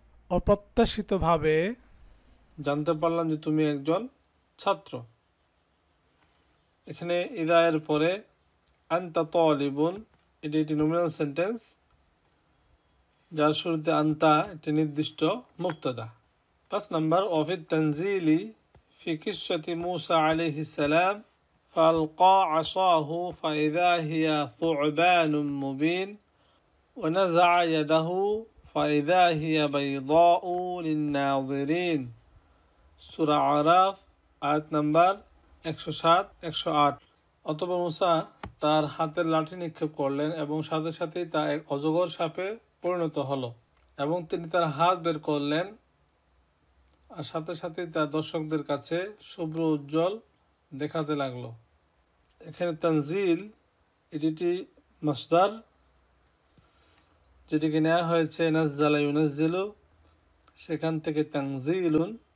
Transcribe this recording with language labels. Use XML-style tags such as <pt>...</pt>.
<bn>অপ্রত্যাশিতভাবে জানতে পারলাম যে তুমি একজন ছাত্র। এখানে ইদায়ের পরে আনতা তালিবুন, এটি একটি নমিনাল সেন্টেন্স যার শুরুতে আনতা একটি নির্দিষ্ট মুক্তদা। পাঁচ নম্বর,</bn> <ar>অফিদ তানজিলি ফি কিসসাতি মূসা আলাইহিস সালাম فالقى عصاه فاذا هي ثعبان مبين ونزع يده فاذا هي بيضاء للناظرين سورة</ar> <bn>আরাফ আয়াত নাম্বার 107-108। অতঃপর মুসা তার হাতের লাঠি নিক্ষেপ করলেন এবং সাথে সাথেই তা এক অজগর সাপে পরিণত হলো এবং তিনি তার হাত বের করলেন আর সাথে সাথেই তা দর্শকদের কাছে শুভ্র উজ্জ্বল দেখাতে লাগলো। এখানে তানজিল, এটি মাসদার যেটিকে নেওয়া হয়েছে নাজ্জালা ইউনাজ্জিলু, সেখান থেকে তানজিলুন।</bn>